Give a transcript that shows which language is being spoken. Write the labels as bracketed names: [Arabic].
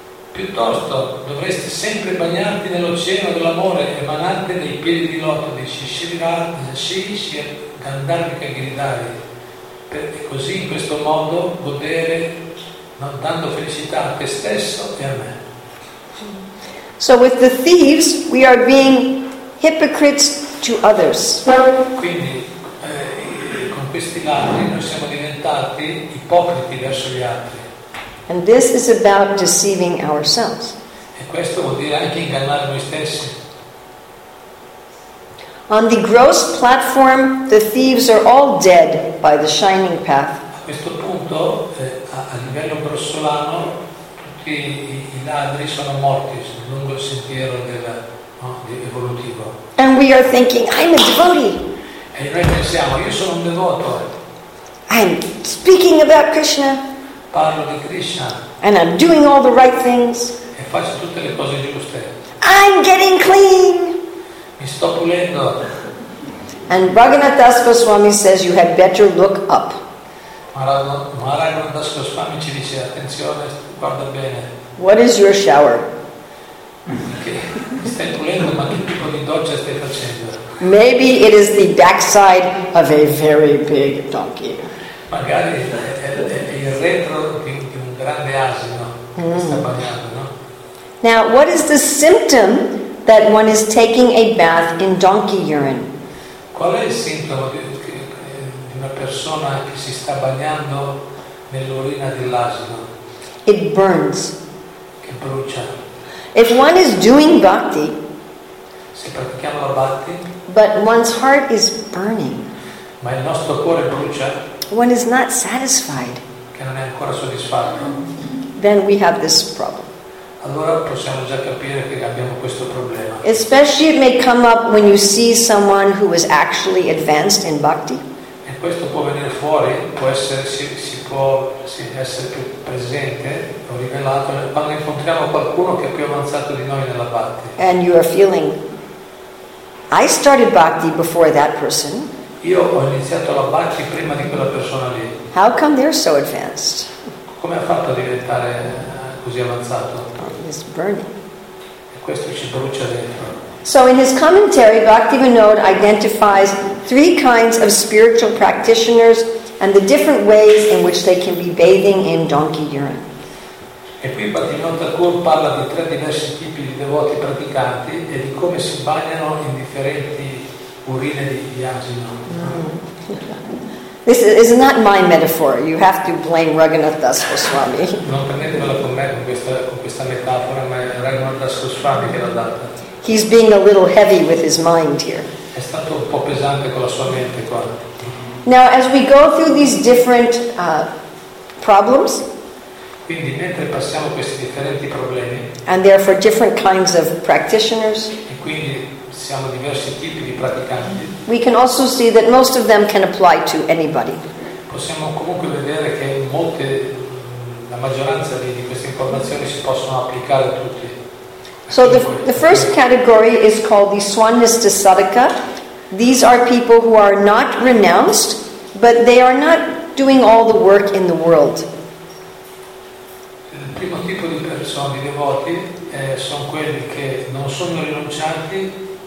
[Italian] Piuttosto dovresti sempre bagnarti nell'oceano dell'amore emanante dei piedi di loto di Shishira Gandharvika Giridhari, per così in questo modo godere, no, dando felicità a te stesso e a me. [English] So with the thieves we are being hypocrites to others. [Italian] Quindi questi ladri noi siamo diventati ipocriti verso gli altri. [English] And this is about deceiving ourselves. [Italian] E questo vuol dire anche ingannare noi stessi. [English] On the gross platform, the thieves are all dead by the shining path. [Italian] A questo punto, a livello grossolano, tutti i ladri sono morti lungo il sentiero evolutivo. [English] And we are thinking, I'm a devotee. [Italian] E noi pensiamo, io sono un devoto. [English] I'm speaking about Krishna. [Italian] Parlo di Krishna. [English] And I'm doing all the right things. [Italian] E faccio tutte le cose giuste. [English] I'm getting clean. [Italian] Mi sto pulendo. [English] And Raghunath Das Goswami says, you had better look up. [Italian] Maharaj Das Goswami ci dice, attenzione, guarda bene. [English] What is your shower? [Italian] Stai pulendo, ma che tipo di doccia stai facendo? [English] Maybe it is the backside of a very big donkey. [Italian] Magari è il retro di un grande asino che sta bagnando, no? [English] Now, what is the symptom that one is taking a bath in donkey urine? [Italian] Qual è il sintomo di una persona che si sta bagnando nell'urina dell'asino? [English] It burns. [Italian] Che brucia. [English] If one is doing bhakti, [Italian] se pratichiamo la bhakti, [English] but one's heart is burning. [Italian] Ma il nostro cuore brucia. [English] One is not satisfied. [Italian] Che non è ancora soddisfatto. [English] Then we have this problem. [Italian] allora possiamo già capire che abbiamo questo problema. [English] Especially it may come up when you see someone who is actually advanced in bhakti. [Italian] E questo può venire fuori, può essere, si può essere più presente o rivelato quando incontriamo qualcuno che è più avanzato di noi nella bhakti. [English] And you are feeling, I started bhakti before that person. [Italian] Io ho iniziato la bhakti prima di quella persona lì. [English] How come they're so advanced? [Italian] Come ha fatto a diventare così avanzato? [English] It's burning. [Italian] E questo ci brucia dentro. [English] So in his commentary, Bhaktivinoda identifies three kinds of spiritual practitioners and the different ways in which they can be bathing in donkey urine. [Italian] E qui Bhaktivinoda parla di tre diversi tipi di devoti praticanti e di come si bagnano in differenti urine di asino. [English] This is not my metaphor. You have to blame Raghunath Das Goswami. [Italian] Non prendetevela con me con questa metafora, ma è Raghunath Das Goswami che l'ha data. [English] He's being a little heavy with his mind here. [Italian] È stato un po' pesante con la sua mente qua. [English] Now, as we go through these different problems, [Italian] quindi mentre passiamo questi differenti problemi, [English] and they're for different kinds of practitioners, [Italian] e quindi siamo diversi tipi di praticanti, [English] we can also see that most of them can apply to anybody. [Italian] Possiamo comunque vedere che molte, la maggioranza di queste informazioni si possono applicare a tutti. [English] So the first category is called the Swanista Sadaka. These are people who are not renounced, but they are not doing all the work in the world. [Italian] Il primo tipo di persone, di devoti, sono quelli che non sono rinuncianti,